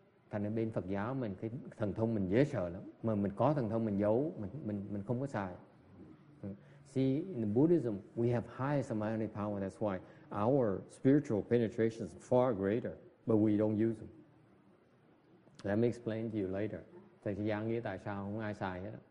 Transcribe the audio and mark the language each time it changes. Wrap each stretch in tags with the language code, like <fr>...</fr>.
<vi>Thành ở bên Phật giáo mình cái thần thông mình dễ sợ lắm, mà mình có thần thông mình giấu, mình không có xài.</vi> <en>See, in Buddhism we have high samadhi power, that's why our spiritual penetration is far greater, but we don't use them. Let me explain to you later.</en> <vi>Thầy sẽ giảng nghĩa tại sao không ai xài hết.</vi>